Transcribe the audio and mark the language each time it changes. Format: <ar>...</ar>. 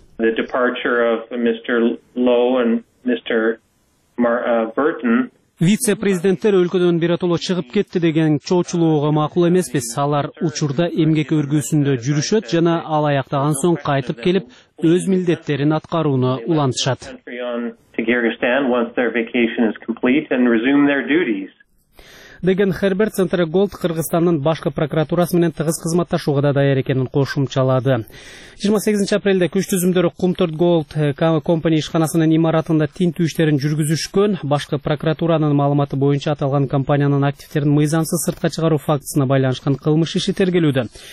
<en>The departure of Mr. Lowe and Mr. Burton.</en> <ky>Вице-президенттер өлкөдөн биротоло чыгып кетти деген чоочулууга макул эмеспиз. Алар учурда эмгек өргүүсүндө жүрүшөт жана ал аяктаган соң кайтып келип, өз милдеттерин аткарууну улантышат.</ky> <en>Kyrgyzstan once their vacation is complete and resume their duties.</en> <ky>деген Хербер Центр Голд Кыргызстандын башкы прокуратурасы менен тыгыз кызматташууга да даяр экенин кошумчалады. 28 апрелде күч түзүмдөрү Кумтурт Голд компани ишканасынын имаратында тинтүү иштерин жүргүзүшкөн. Башкы прокуратуранын маалыматы боюнча аталган компаниянын активдерин мыйзамсыз сыртка чыгаруу фактысына байланышкан кылмыш иши тергелүүдө.</ky>